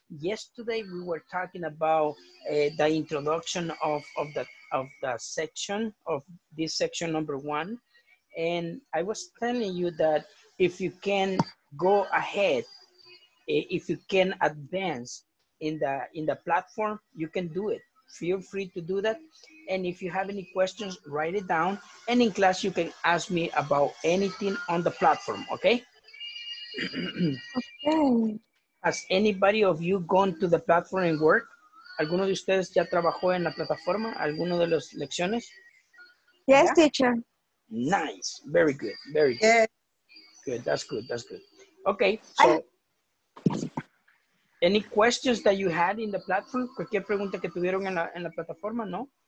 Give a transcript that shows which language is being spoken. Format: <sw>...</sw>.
<en>Yesterday we were talking about the introduction of the section of this section number one, and I was telling you that if you can go ahead, if you can advance in the platform, you can do it. Feel free to do that. And if you have any questions, write it down. And in class, you can ask me about anything on the platform, okay? Okay. Has anybody of you gone to the platform and work?</en> <es>¿Alguno de ustedes ya trabajó en la plataforma? ¿Alguno de las lecciones?</es> <en>Yes, yeah? Teacher. Nice. Very good. Very good. Yeah. Good. That's good. That's good. Okay. So, any questions that you had in the platform?</en> <es>¿Cualquier pregunta que tuvieron en la plataforma, no?</es>